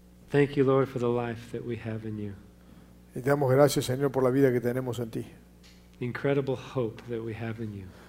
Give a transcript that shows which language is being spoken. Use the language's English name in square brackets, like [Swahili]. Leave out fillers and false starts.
[English] Thank you, Lord, for the life that we have in you. [Spanish] Y te damos gracias, Señor, por la vida que tenemos en ti. [English] The incredible hope that we have in you.